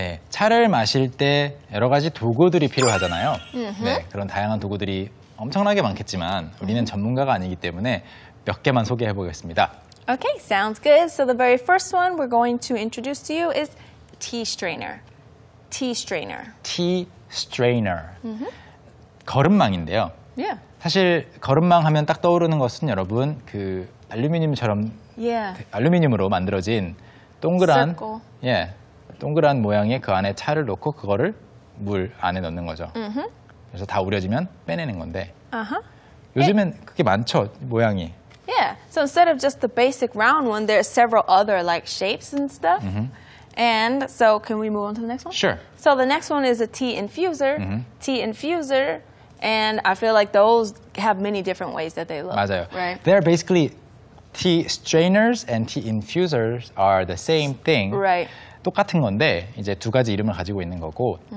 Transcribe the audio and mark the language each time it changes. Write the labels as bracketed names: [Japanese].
[Korean] 차를 마실 때 여러 가지 도구들이 필요하잖아요. 네, 그런 다양한 도구들이 엄청나게 많겠지만 우리는 전문가가 아니기 때문에 몇 개만 소개해보겠습니다. [English] Okay, sounds good. So the very first one we're going to introduce to you is tea strainer. Tea strainer. Tea strainer. Mm-hmm. [Korean] 거름망인데요. [English] Yeah. [Korean] 사실 거름망 하면 딱 떠오르는 것은 여러분 그 알루미늄처럼 [English] yeah. [Korean] 알루미늄으로 만들어진 동그란 [English] Circle. [Korean] 예 동그란 모양의 그 안에 차를 넣고 그거를 물 안에 넣는 거죠. Mm-hmm. 그래서 다 우려지면 빼내는 건데. 아하. Uh-huh. 요즘엔 그게 많죠 모양이. [English] Yeah. So instead of just the basic round one, there are several other like shapes and stuff. Mm-hmm. And so can we move on to the next one? Sure. So the next one is a tea infuser. Mm-hmm. Tea infuser. And I feel like those have many different ways that they look. [Korean] 맞아요. [English] Right? They're basically tea strainers and tea infusers are the same thing. Right. [Korean] 똑같은 건데 이제 두 가지 이름을 가지고 있는 거고 mm-hmm.